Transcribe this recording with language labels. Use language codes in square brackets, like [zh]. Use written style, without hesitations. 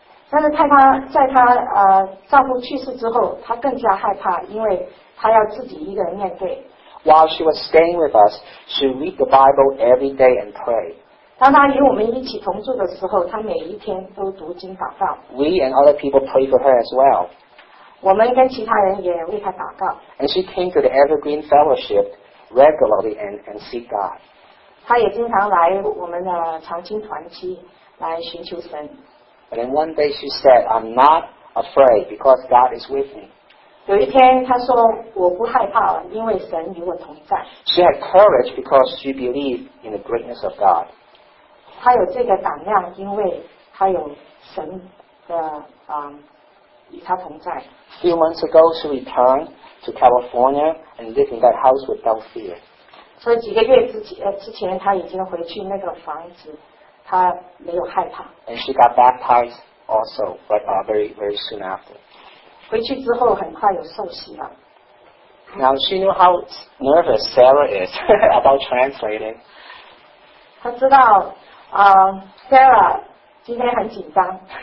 [zh] 但是她在她丈夫去世之后，她更加害怕，因为她要自己一个人面对。 [en] While she was staying with us, she read the Bible every day and pray. [zh] 当她与我们一起同住的时候，她每一天都读经祷告。 [en] We and other people pray for her as well. [zh] 我们跟其他人也为她祷告。 [en] And she came to the Evergreen Fellowship. Regularly and seek God. [zh] 他也经常来我们的长青团契来寻求神。 [en] And then one day she said, I'm not afraid because God is with me. [zh] 有一天她说我不害怕因为神与我同在。 [en] She had courage because she believed in the greatness of God. [zh] 她有这个胆量因为她有神的与她同在。 [en] Few months ago, she returned to California and lived in that house without fear. [zh] 所以几个月之前她已经回去那个房子她没有害怕。 [en] And she got baptized also, but very, very soon after. [zh] 回去之后很快有受洗了。 [en] Now she knew how nervous Sarah is about translating. [zh] 她知道Sarah 今天很紧张。